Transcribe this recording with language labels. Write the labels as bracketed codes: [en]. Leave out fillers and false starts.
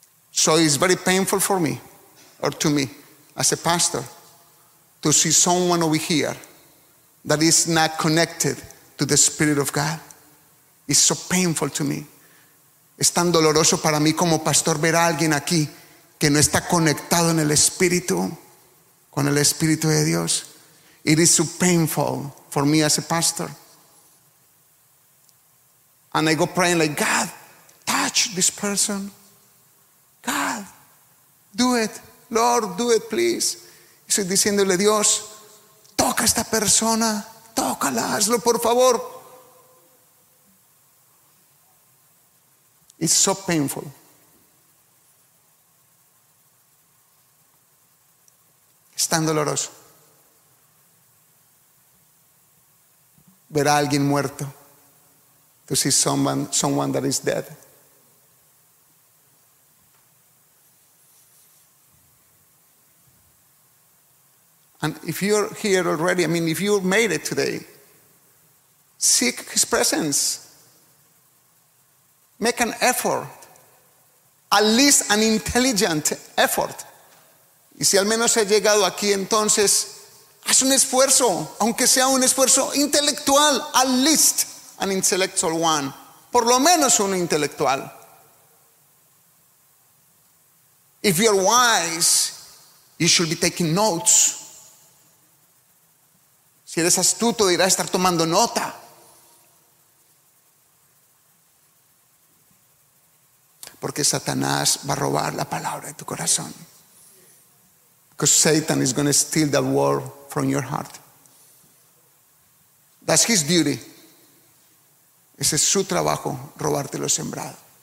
[en] So it's very painful for me, or to me, as a pastor, to see someone over here that is not connected to the Spirit of God. It's so painful to me. [es] Es tan doloroso para mí como pastor ver a alguien aquí que no está conectado en el Espíritu, con el Espíritu de Dios. [en] It is so painful for me as a pastor. And I go praying like, God, touch this person. God, do it. Lord, do it, please. [es] Y estoy diciéndole: Dios, toca a esta persona. Tócala, hazlo, por favor. [en] It's so painful. [es] Es tan doloroso ver a alguien muerto. [en] To see someone that is dead. I And if you're here already, I mean, if you made it today, seek his presence. Make an effort, at least an intelligent effort. [es] Y si al menos he llegado aquí, entonces, haz un esfuerzo, aunque sea un esfuerzo intelectual, [en] at least an intellectual one. [es] Por lo menos un intelectual. [en] If you're wise, you should be taking notes. [es] Si eres astuto, dirás estar tomando nota. Porque Satanás va a robar la palabra de tu corazón. [en] Because Satan is going to steal that word from your heart. That's his duty. [es] Ese es su trabajo, robarte lo sembrado.